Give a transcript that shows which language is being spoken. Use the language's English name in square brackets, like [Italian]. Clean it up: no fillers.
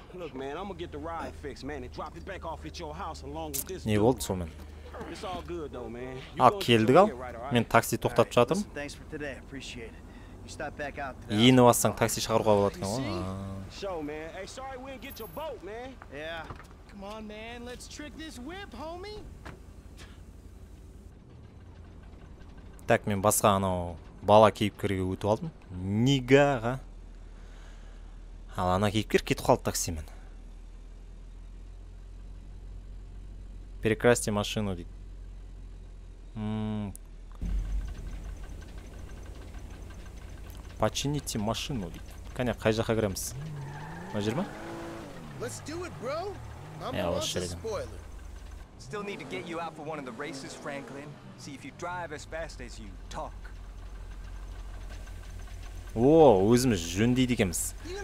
[English] Look, man, I'm gonna get the ride fixed, man. And drop it back off at your house along with this. [Kazakh] Не болды сомен. [English] It's all good though, man. [Kazakh] А келдік ал? Мен такси тоқтатып жатым. [English] Thanks for today, appreciate it. You stop back out today. [Kazakh] Ені бассаң такси шығаруға болады екен ғой. [English] Show, man. Hey, sorry we didn't get your boat, man. Yeah. Come on, man, let's trick this whip, homie. [Kazakh] Так, мен басқа анау бала кейіпкерге өтіп алдым. Нигаға. Ал ана кейіпкер кетіп қалды таксимен. [Russian] Перекрасьте машину, [Kazakh] дейді. [Russian] Почините машину, [Kazakh] дейді. Коня, қай жаққа кіреміз? Мына жер ма? [English] Let's do it, bro. I'm yeah, not a spoiler. Still need to get you out for one of the races, Franklin. See if you drive as fast as you talk. [Kazakh] О, өзіміз жөндейді екеміз.